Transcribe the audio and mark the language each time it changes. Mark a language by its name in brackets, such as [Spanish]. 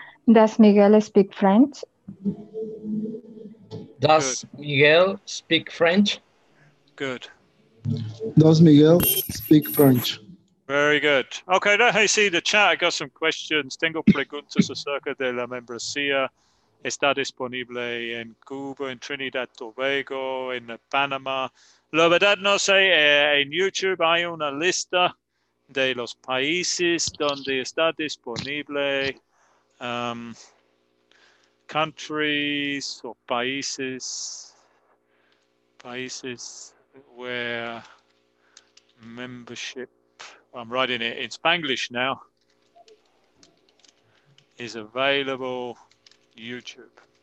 [English] Does Miguel speak French? Very good. Okay, now I see the chat. I got some questions. [Spanish] Tengo preguntas acerca de la membresía. Está disponible en Cuba, en Trinidad, Tobago, en Panama. La verdad no sé, en YouTube hay una lista de los países donde está disponible. [English] Countries or países where membership, I'm writing it in Spanglish now, is available YouTube.